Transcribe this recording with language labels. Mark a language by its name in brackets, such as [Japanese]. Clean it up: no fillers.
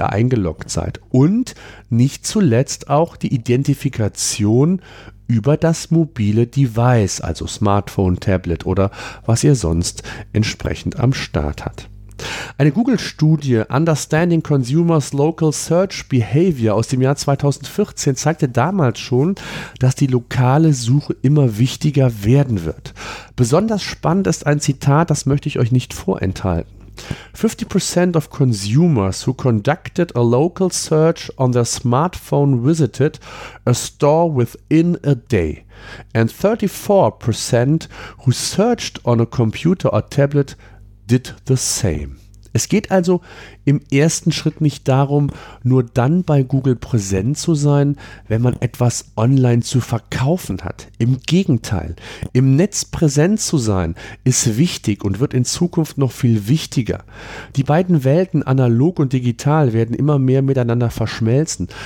[German] ihr eingeloggt seid und nicht zuletzt auch die Identifikation über das mobile Device, also Smartphone, Tablet oder was ihr sonst entsprechend am Start habt. Eine Google-Studie Understanding Consumers Local Search Behavior aus dem Jahr 2014 zeigte damals schon, dass die lokale Suche immer wichtiger werden wird. Besonders spannend ist ein Zitat, das möchte ich euch nicht vorenthalten. [English] 50% of consumers who conducted a local search on their smartphone visited a store within a day and 34% who searched on a computer or tablet did the same. [German] Es geht also im ersten Schritt nicht darum, nur dann bei Google präsent zu sein, wenn man etwas online zu verkaufen hat. Im Gegenteil, im Netz präsent zu sein ist wichtig und wird in Zukunft noch viel wichtiger. Die beiden Welten, analog und digital, werden immer mehr miteinander verschmelzen.